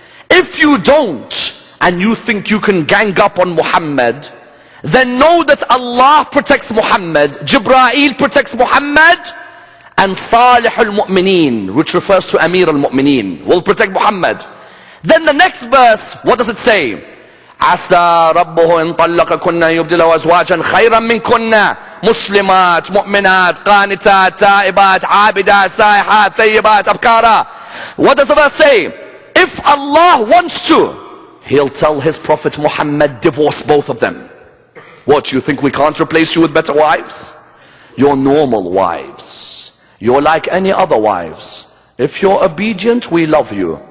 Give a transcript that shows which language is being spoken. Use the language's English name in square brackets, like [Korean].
[English] If you don't, and you think you can gang up on Muhammad, then know that Allah protects Muhammad, Jibreel protects Muhammad, and Salih al-Mu'mineen, which refers to Amir al-Mu'mineen, will protect Muhammad. Then the next verse, what does it say? [Arabic] عَسَى رَبُّهُ إِن طَلَّقَكُنَّ يُبْدِلَهُ أَزْوَاجًا خَيْرًا مِنْكُنَّ مسلمات مؤمنات قانتات تائبات عابدات سائحات ثيبات أبكارا. [English] What does the verse say? If Allah wants to, he'll tell his Prophet Muhammad, divorce both of them. What, you think we can't replace you with better wives? Your normal wives. You're like any other wives. If you're obedient, we love you.